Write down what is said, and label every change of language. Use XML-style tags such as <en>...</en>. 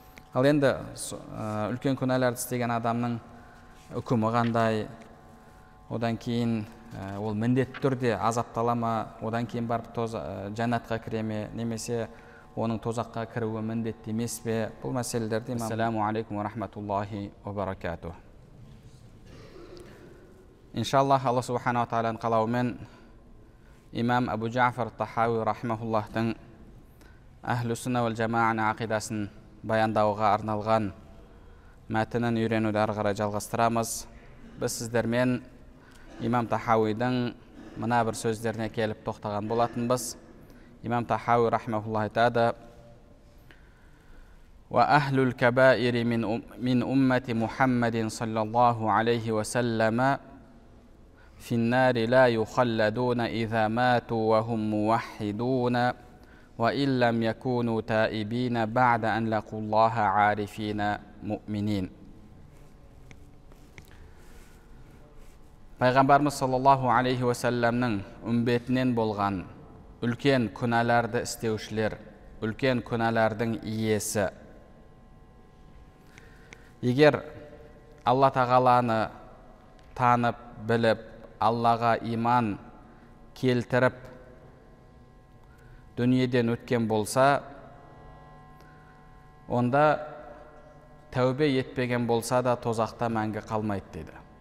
<kk>Ал енді үлкен күнәлерді істеген адамның үкімі қандай, одан кейін ол міндетті түрде азаптала ма, одан кейін барып жәннатқа кіре ме, немесе оның тозаққа кіруі міндетті емес пе, бұл мәселелерді имам. Ассаламу алейкум ва рахматуллахи ва баракату. Иншалла Алла субхана ва тааланың қалауымен имам Абу Джафар Тахауи рахимахуллахтың әхлі сүнна вал жамаа ақидасын баяндауға арналған мәтінін үйренуді ары қарай жалғастырамыз. Біз сіздермен имам Тахауидің мына бір сөздеріне келіп тоқтаған болатынбыз. Имам Тахауи рахимахуллах айтады:</kk> <ar>«Ва ахлюл кабаири мин уммати Мухаммадин саллаллаху алейхи ва саллама финнари ла юхалладуна иза мату ва хум мувахидуна». وإن لم يكونوا تائبين بعد أن لقوا الله عارفين مؤمنين.</ar> <kk>Пайғамбарымыз саллаллаху алейхи ва саллямның үмбетінен болған үлкен күнәларды істеушілер, үлкен күнәлардың иесі. Егер Алла Тағаланы танып, біліп, Аллаға иман келтіріп дүниеден өткен болса, онда тәубе етпеген болса да тозақта мәңгі қалмайды дейді.</kk>